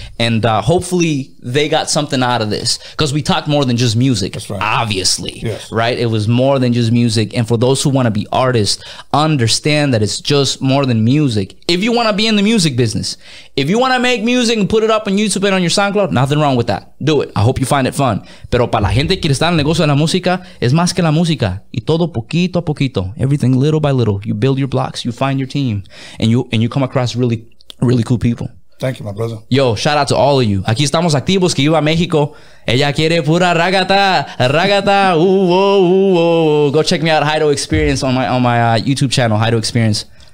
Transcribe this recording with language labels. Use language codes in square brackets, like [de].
[en] And hopefully they got something out of this, because we talked more than just music. That's right. Obviously. Yes. Right? It was more than just music. And for those who want to be artists, understand that it's just more than music. If you want to be in the music business, if you want to make music and put it up on YouTube and on your SoundCloud, nothing wrong with that. Do it. I hope you find it fun. [es] Pero para la gente que está en el negocio de la música, es más que la música. Y todo poquito a poquito. [en] Everything little by little. You build your blocks. You find your team. And you come across really, really cool people. Thank you, my brother. Yo, shout out to all of you. [es] Aquí estamos activos, que iba a México. Ella quiere pura ragata, ragata. [en] Go check me out, Hido Experience, on my YouTube channel, Hido Experience.